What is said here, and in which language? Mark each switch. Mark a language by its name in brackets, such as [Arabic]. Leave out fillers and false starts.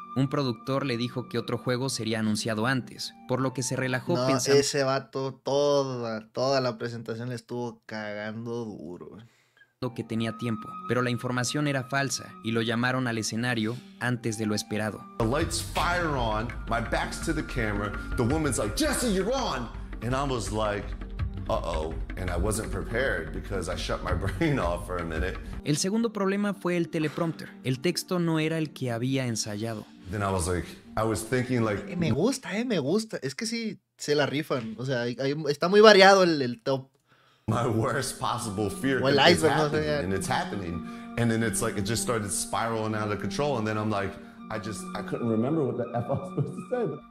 [Spanish] Un productor le dijo que otro juego sería anunciado antes, por lo que se relajó pensando... No, ese vato, toda la presentación le estuvo cagando duro. ...que tenía tiempo, pero la información era falsa y lo llamaron al escenario antes de lo esperado. [English] The lights fire on, my back's to the camera, the woman's like, Jesse, you're on! And I was like, uh-oh, and I wasn't prepared because I shut my brain off for a minute. [Spanish] El segundo problema fue el teleprompter. El texto no era el que había ensayado. [English] Then I was like, I was thinking like... [Spanish] Me gusta. Es que sí, se la rifan. O sea, está muy variado el top. [English] My worst possible fear. Well, it's happening, and it's happening. And then it's like, it just started spiraling out of control. And then I'm like, I couldn't remember what the F I was supposed to say.